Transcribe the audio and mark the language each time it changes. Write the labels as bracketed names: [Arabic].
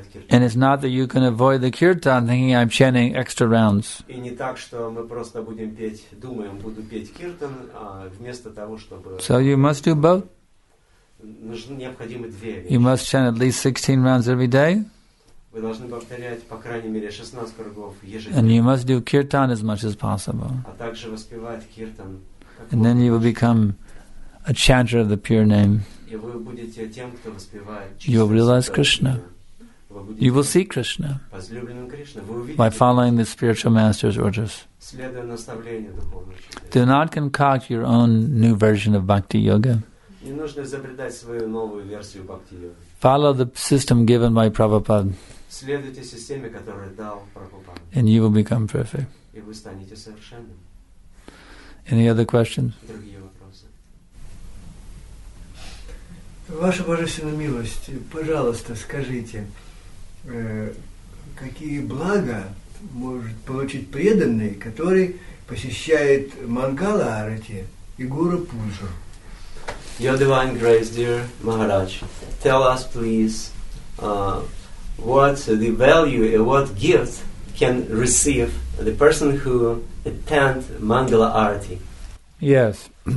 [English] And it's not that you can avoid the kirtan thinking I'm chanting extra rounds. [Russian] И не так, что мы просто будем петь, думаем, буду петь kirtan, а вместо того, чтобы... [English] So you must do both. [Russian] Необходимы две вещи. [English] You must chant at least 16 rounds every day. [Russian] Вы должны повторять по крайней мере 16 кругов ежедневно. [English] And you must do kirtan as much as possible. [Russian] А также воспевать kirtan. [English] And then you will become a chanter of the pure name. [Russian] И вы будете тем, кто воспевает. [English] You will realize Krishna. You will see Krishna. [Russian] Возлюбленным Кришна. Вы увидите. [English] By following the spiritual master's orders. [Russian] Следуя наставлению духовного учителя. [English] Do not concoct your own new version of bhakti yoga. [Russian] Не нужно изобретать свою новую версию бхакти-йоги. [English] Follow the system given by Prabhupada. [Russian] Следуйте системе, которую дал Прабхупада. [English] And you will become perfect. [Russian] И вы станете совершенным. [English] Any other questions? [Russian] Другие вопросы. Ваша божественная милость, пожалуйста, скажите, какие блага может получить преданный, который посещает Мангала Арати и Гуру Пуджу? [English] Your Divine Grace, dear Maharaj, tell us, please, what the value and what gift can receive the person who attend Mangala Arati? Yes.